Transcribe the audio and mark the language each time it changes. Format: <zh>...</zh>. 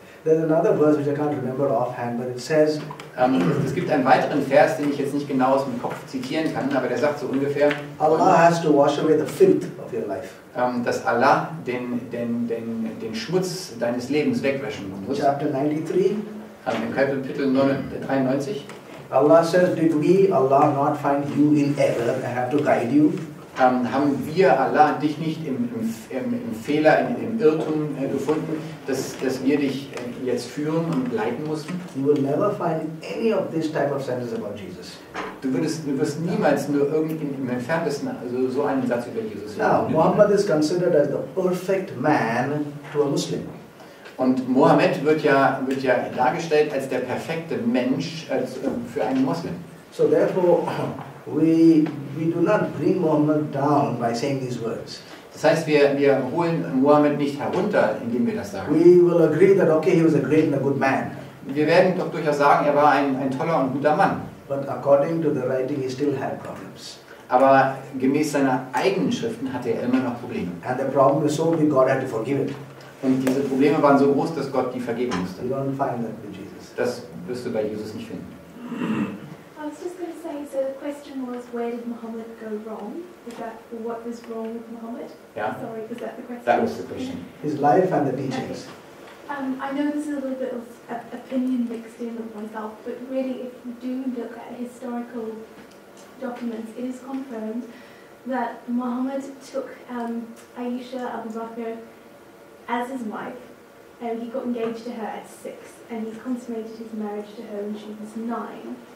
<en>There's another verse which I can't remember offhand, but it says,</en> <de>es gibt einen weiteren Vers, den ich jetzt nicht genau aus dem Kopf zitieren kann, aber der sagt so ungefähr,</de> <en>Allah has to wash away the filth of your life.</en> <de>Dass Allah den Schmutz deines Lebens wegwaschen muss.</de> <en>Chapter 93.</en> <de>In Kapitel 93.</de> <en>Allah says, did we, Allah, not find you in error and have to guide you?</en> <de>Haben wir, Allah, dich nicht im Fehler, im Irrtum gefunden, dass wir dich jetzt führen und leiten mussten?</de> <en>You will never find any of this type of sentences about Jesus.</en> <de>Du wirst niemals nur irgendwie im Entferntesten also so einen Satz über Jesus sagen.</de> <en>Now, Muhammad is considered as the perfect man to a Muslim.</en> <de>Und Mohammed wird ja dargestellt als der perfekte Mensch für einen Muslim.</de> <en>So therefore, we do not bring Muhammad down by saying these words.</en> <de>Das heißt, wir holen Mohammed nicht herunter, indem wir das sagen.</de> <en>We will agree that okay, he was a great and a good man.</en> <de>Wir werden doch durchaus sagen, er war ein toller und guter Mann.</de> <en>But according to the writing, he still had problems.</en> <de>Aber gemäß seiner eigenen Schriften hatte er immer noch Probleme.</de> <en>And the problem was so big, God had to forgive it.</en> <de>Und diese Probleme waren so groß, dass Gott die vergeben musste.</de> <en>You don't find that with Jesus.</en> <de>Das wirst du bei Jesus nicht finden.</de> <en>I was just going to say, so the question was, where did Muhammad go wrong? Is that, or what was wrong with Muhammad? Yeah. Sorry, was that the question? That was the question. His life and the teachings. Okay. I know this is a little bit of opinion mixed in with myself, but really if you do look at historical documents, it is confirmed that Muhammad took Aisha al-Bakr as his wife, and he got engaged to her at 6, and he consummated his marriage to her when she was 9.</en>